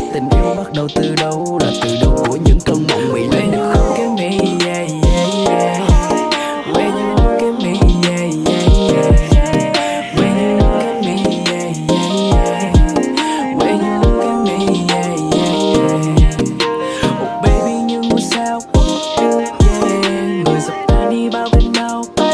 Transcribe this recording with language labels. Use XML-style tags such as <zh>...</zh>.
<vi>Tình yêu bắt đầu từ đâu, là từ đâu của những cơn mộng mị.</vi> <en>When you look at me, yeah, yeah, yeah. When you look at me, yeah, yeah, yeah. When you look at me, yeah, yeah, yeah. When you look at me, yeah, yeah, yeah. Oh baby,</en> <vi>như ngôi sao, yeah. Người dập tan đi bao bên nhau.</vi>